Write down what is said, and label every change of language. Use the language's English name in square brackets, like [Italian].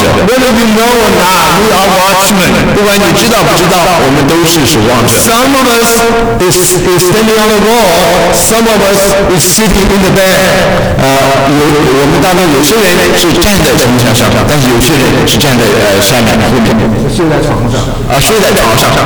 [English] Whether you know or not, we are watchmen. [Chinese] 不管你知道不知道，我们都是守望者。 [English] Some of us is standing on the wall. Some of us is sitting in the bed. [Chinese] 我们当中有些人是站在城墙上，但是有些人是站在下面，睡在床上。